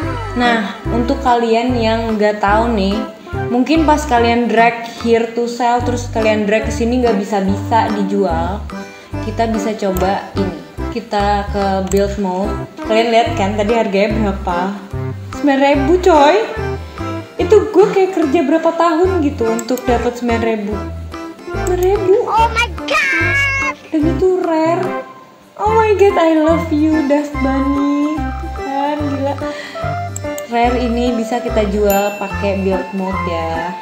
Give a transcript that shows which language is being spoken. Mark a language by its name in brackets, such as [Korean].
[Indonesian] Nah, untuk kalian yang gak tahu nih, mungkin pas kalian drag here to sell, terus kalian drag kesini gak bisa-bisa dijual, kita bisa coba ini. Kita ke build mode. Kalian lihat kan tadi harganya berapa? 9.000, coy. Itu gue kayak kerja berapa tahun gitu untuk dapat 9.000. 9.000. [English] Oh my god. [Indonesian] Dan itu rare. [English] Oh my god, I love you, Dust Bunny. [Indonesian] Kan gila. Rare ini bisa kita jual pakai build mode ya.